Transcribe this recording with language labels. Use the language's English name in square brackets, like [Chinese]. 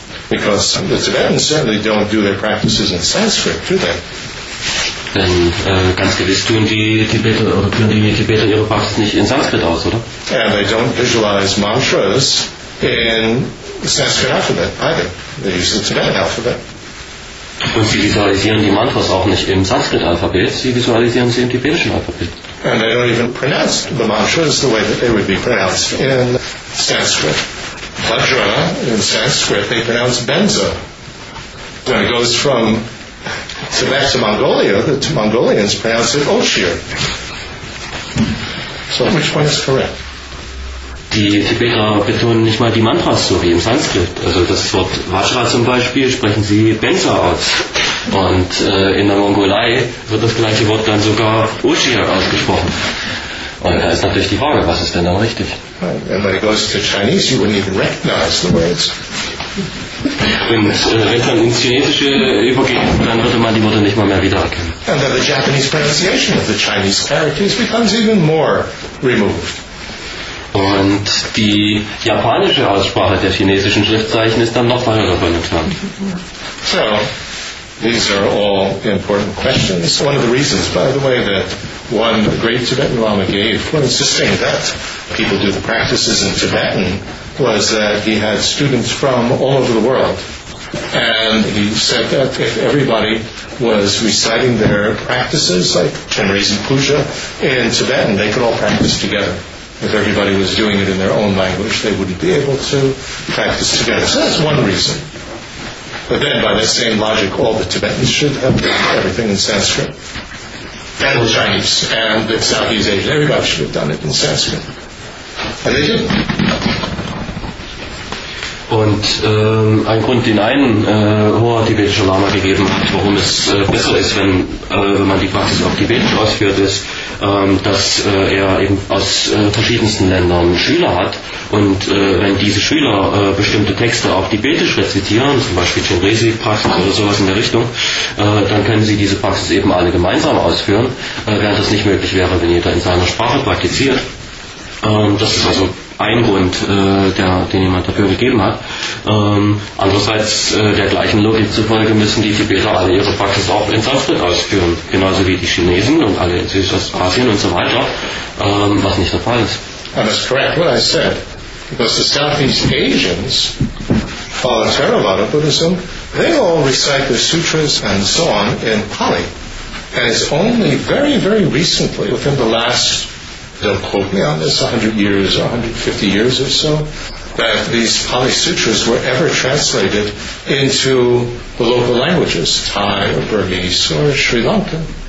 [English] Because the Tibetans certainly don't do their practices in Sanskrit, do they? [German] Denn ganz gewiss tun die Tibeter oder führen die Tibeter ihre Praxis nicht in Sanskrit aus, oder? [English] And they don't visualize mantras in the Sanskrit alphabet either. They use the Tibetan alphabet. [German] Und sie visualisieren die Mantras auch nicht im Sanskrit-Alphabet, sie visualisieren sie im tibetischen Alphabet. [English] And they don't even pronounce the mantras the way that they would be pronounced in Sanskrit. Vajra, in Sanskrit, they pronounce benza. When it goes from Tibet to Mongolia, the Mongolians pronounce it oshir. So which one is correct? [German] Die Tibeter betonen nicht mal die Mantras so wie im Sanskrit. Also das Wort Vajra zum Beispiel sprechen sie Benza aus. Und in der Mongolei wird das gleiche Wort dann sogar Oshia ausgesprochen. Und da ist natürlich die Frage, was ist denn dann richtig? [English] And when it goes to Chinese, you wouldn't even recognize the words. [German] Und wenn es dann ins Chinesische übergeht, dann würde man die Worte nicht mal mehr wiedererkennen. [English] And then the Japanese pronunciation of the Chinese characters becomes even more removed. [German] Und die japanische Aussprache der chinesischen Schriftzeichen ist dann noch weiter davon entfernt. [English] So, these are all important questions. One of the reasons, by the way, that one great Tibetan Lama gave for insisting that people do the practices in Tibetan was that he had students from all over the world. And he said that if everybody was reciting their practices, like Chenrezig Puja, in Tibetan, they could all practice together. If everybody was doing it in their own language, they wouldn't be able to practice together. So that's one reason. But then, by the same logic, all the Tibetans should have done everything in Sanskrit. And the Chinese, and the Southeast Asian, everybody should have done it in Sanskrit. And they did. [German] Und ein Grund, den ein hoher tibetischer Lama gegeben hat, warum es besser ist, wenn, wenn man die Praxis auf Tibetisch ausführt, ist, dass er eben aus verschiedensten Ländern Schüler hat. Und wenn diese Schüler bestimmte Texte auf Tibetisch rezitieren, zum Beispiel Chenrezig-Praxis oder sowas in der Richtung, dann können sie diese Praxis eben alle gemeinsam ausführen, während das nicht möglich wäre, wenn jeder in seiner Sprache praktiziert. Das ist also ein Grund, den jemand dafür gegeben hat. Andererseits, der gleichen Logik zufolge, müssen die Tibeter alle ihre Praxis auch in Sanskrit ausführen. Genauso wie die Chinesen und alle in Südostasien und so weiter, was nicht der Fall ist. [English] And that's correct what I said. Because the Southeast Asians follow Theravada Buddhism, they all recite their sutras and so on in Pali. And it's only very, very recently, within the last, don't quote me on this, 100 years or 150 years or so, that these Pali Sutras were ever translated into the local languages, Thai or Burmese or Sri Lankan.